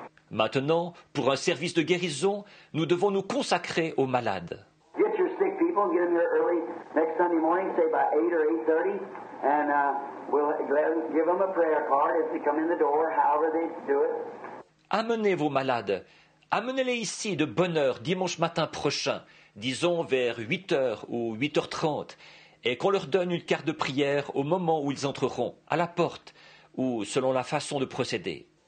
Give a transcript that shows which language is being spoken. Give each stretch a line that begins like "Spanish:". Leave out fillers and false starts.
French: Maintenant, pour un service de guérison, nous devons nous consacrer aux malades.
English: Get your sick people, get them here early next Sunday morning, say by 8 or 8:30, and we'll give them a prayer card as they come in the door, however they do it.
French: Amenez vos malades. Amenez-les ici de bonne heure dimanche matin prochain. Disons vers 8h ou 8h30, et qu'on leur donne une carte de prière au moment où ils entreront, à la porte, ou selon la façon de procéder.